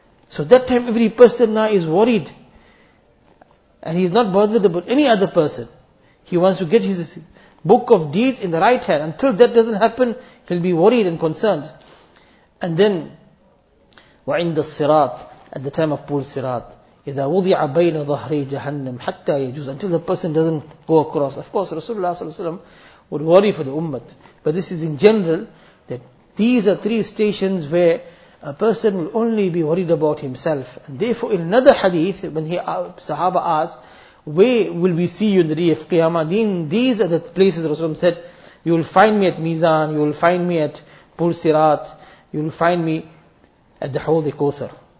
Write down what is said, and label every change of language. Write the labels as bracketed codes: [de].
[en] So that time every person now is worried. And he's not bothered about any other person. He wants to get his book of deeds in the right hand. Until that doesn't happen, he'll be worried and concerned. And then, [ar] وَعِنْدَ الصِّرَاطِ [en] At the time of Pool Sirat. [ar] إِذَا وُضِعَ بَيْنَ ظَهْرِي جَهَنَّمْ حَتَّى يَجُوزَ [en] Until the person doesn't go across. Of course, Rasulullah sallallahu alayhi wa sallam would worry for the ummah. But this is in general, that these are three stations where a person will only be worried about himself. And therefore, in another hadith, when he sahaba asked, where will we see you in the day of Qiyamah? Then these are the places Rasulullah said, you will find me at Mizan, you will find me at Pool Sirat, you will find me at the Hawdi Kothar.